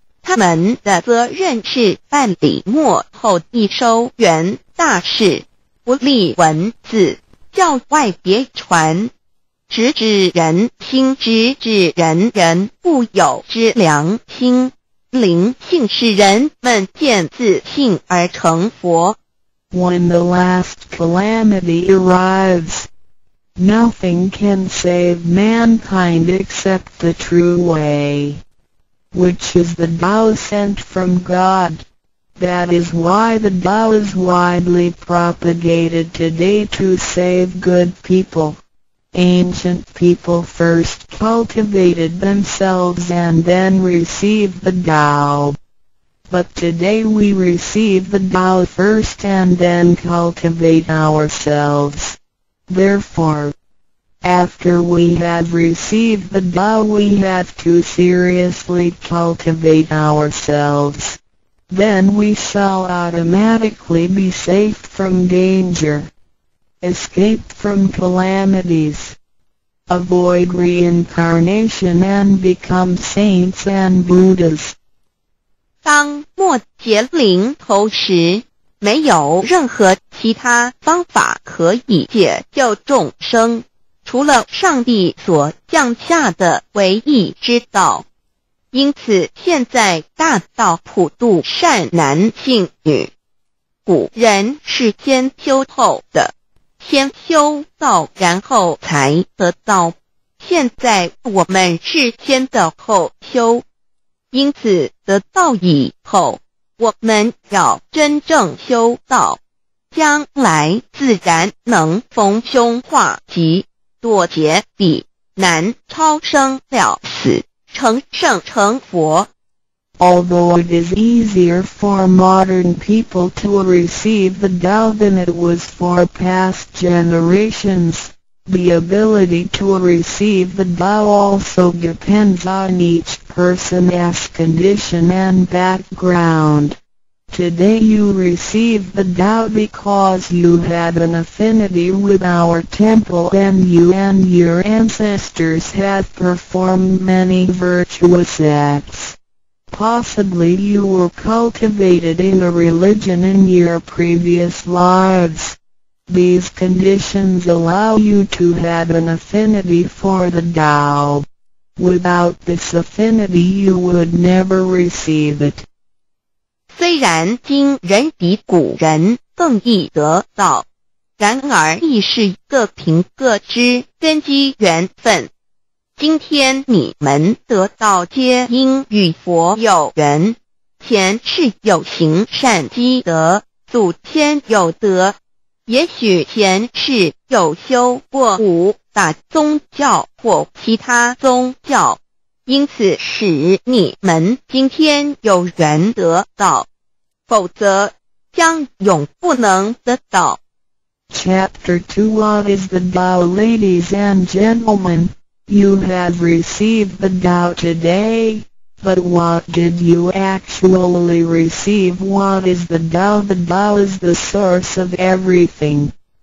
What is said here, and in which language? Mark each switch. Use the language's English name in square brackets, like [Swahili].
[Chinese] 他们的责任是办理末后一收缘大事，不立文字，教外别传，直指人心，直指人人固有之良心。灵性使人们见自性而成佛。 [English] When the last calamity arrives, nothing can save mankind except the true way, which is the Tao sent from God. That is why the Tao is widely propagated today to save good people. Ancient people first cultivated themselves and then received the Tao. But today we receive the Tao first and then cultivate ourselves. Therefore, after we have received the Tao, we have to seriously cultivate ourselves. Then we shall automatically be safe from danger. Escape from calamities, avoid reincarnation and become saints and Buddhas. [Chinese] 当末劫临头时，没有任何其他方法可以解救众生，除了上帝所降下的唯一之道。因此现在大道普渡善男信女。古人是先修透的，先修道然后才得道，现在我们是先的后修，因此得道以后我们要真正修道，将来自然能逢凶化吉，堕劫彼难，超生了死，成圣成佛。 [English] Although it is easier for modern people to receive the Tao than it was for past generations, the ability to receive the Tao also depends on each person's condition and background. Today you receive the Tao because you had an affinity with our temple and your ancestors have performed many virtuous acts. Possibly you were cultivated in a religion in your previous lives. These conditions allow you to have an affinity for the Tao. Without this affinity you would never receive it. [Chinese] 虽然今人比古人更易得道，然而亦是各凭各知，根基缘分。今天你们得道皆因与佛有缘，前世有行善积德，祖先有德，也许前世有修过五大宗教或其他宗教，因此使你们今天有缘得道，否则将永不能得道。 [English] Chapter 2 What is the Tao, ladies and gentlemen? You have received the Tao today, but what did you actually receive? What is the Tao? The Tao is the source of everything.